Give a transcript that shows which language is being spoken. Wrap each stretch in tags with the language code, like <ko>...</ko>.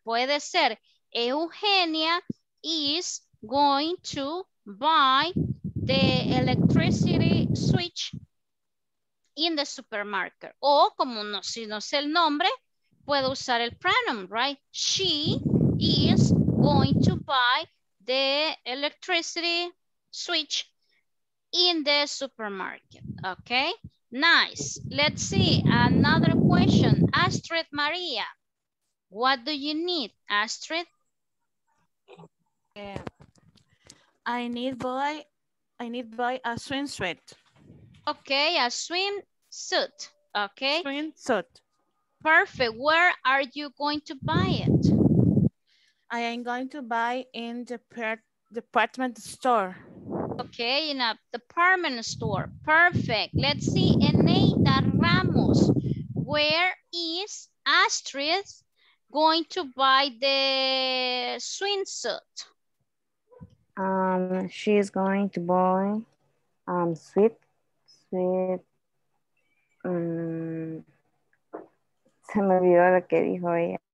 <es>Puede ser,</es> <en>Eugenia is going to buy the electricity switch in the supermarket.</en> <es>O como no, si no sé el nombre, puedo usar el pronoun, right?</es> <en>She is going to buy the electricity switch in the supermarket, okay? Nice. Let's see another question. Astrid Maria, what do you need, Astrid? I need buy a swimsuit. Okay, a swimsuit. Okay. Swimsuit. Perfect. Where are you going to buy it? I am going to buy in the department store. Okay, in a department store. Perfect. Let's see, Eneida Ramos. Where is Astrid going to buy the swimsuit? She's going to buy</en> <es>se me olvidó lo que dijo ella.</es>